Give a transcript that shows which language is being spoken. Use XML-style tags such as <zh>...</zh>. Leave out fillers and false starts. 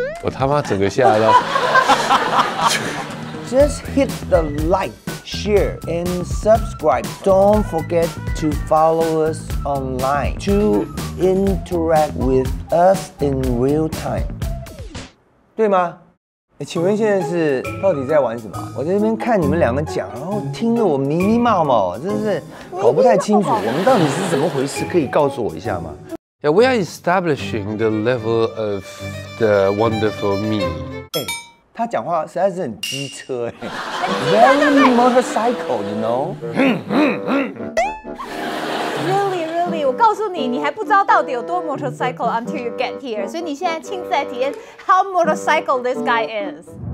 <zh>我他妈整个吓到</zh> <en>Just hit the like, share, and subscribe. Don't forget to follow us online to interact with us in real time.</en> <zh>对吗？请问现在是到底在玩什么？我在这边看你们两个讲，然后听得我迷迷冒冒，真是搞不太清楚。我们到底是怎么回事？可以告诉我一下吗？</zh> <en>Yeah, we are establishing the level of the wonderful me. Hey,</en> <zh>他讲话实在是很机车哎</zh> <en>，very motorcycle, you know. Really, really,</en> <zh>我告诉你，你还不知道到底有多</zh> <en>motorcycle until you get here.</en> <zh>所以你现在亲自来体验</zh> <en>how motorcycle this guy is.</en>